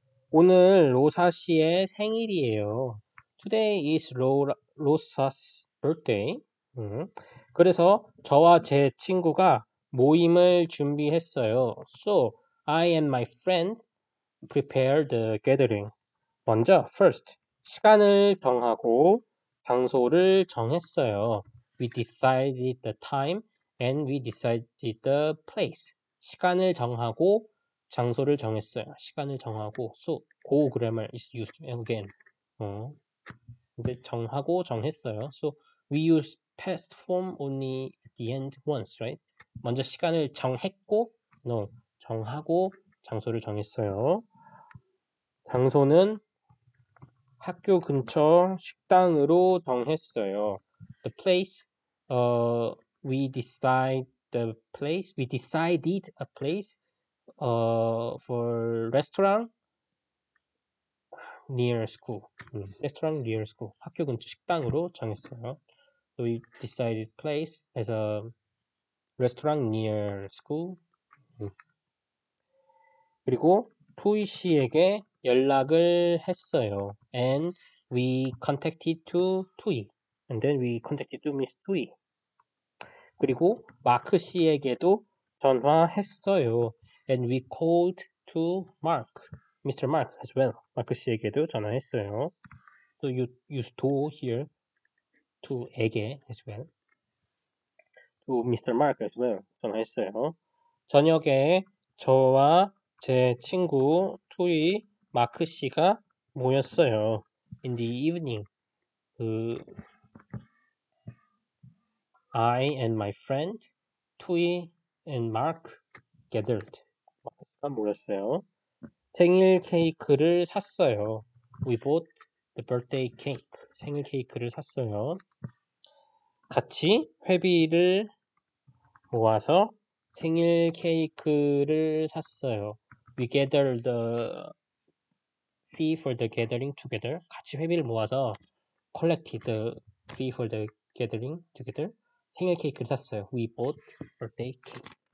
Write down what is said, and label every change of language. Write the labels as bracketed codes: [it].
[ko] 오늘 로사시의 생일이에요. [en] Today is Rosa's birthday. [ko] 그래서 저와 제 친구가 모임을 준비했어요. [en] So, I and my friend prepared the gathering. [ko] 먼저, first, 시간을 정하고 장소를 정했어요. [en] We decided the time and we decided the place. [ko] 시간을 정하고 장소를 정했어요. 시간을 정하고. [en] So, go grammar is used again. [ko] 근데 정하고 정했어요. [en] So, we use past form only at the end once, right? [ko] 먼저 시간을 정했고, no, 정하고 장소를 정했어요. 장소는 학교 근처 식당으로 정했어요. [en] The place, we decide the place, we decided a place, for restaurant near school. Restaurant near school. [ko] 학교 근처 식당으로 정했어요. [en] We decided place as a restaurant near school. [ko] 그리고 푸이 씨에게 연락을 했어요. [en] And we contacted to Tui. And then we contacted to Miss Tui. [ko] 그리고 마크 씨에게도 전화했어요. [en] And we called to Mark, Mr. Mark as well. [ko] 마크 씨에게도 전화했어요. [en] So you use to here. To 에게 as well. To Mr. Mark as well. 전화했어요. [ko] 저녁에 저와 제 친구 투이 마크 씨가 모였어요. [en] In the evening, I and my friend, 투이 and Mark gathered. [ko] 마크 씨가 모였어요. 생일 케이크를 샀어요. [en] We bought the birthday cake. [ko] 생일 케이크를 샀어요. 같이 회비를 모아서 생일 케이크를 샀어요. [en] We gathered the fee for the gathering together. [ko] 같이 회비를 모아서 [en] collected the fee for the gathering together. [ko] 생일 케이크를 샀어요. [en] We bought birthday cake.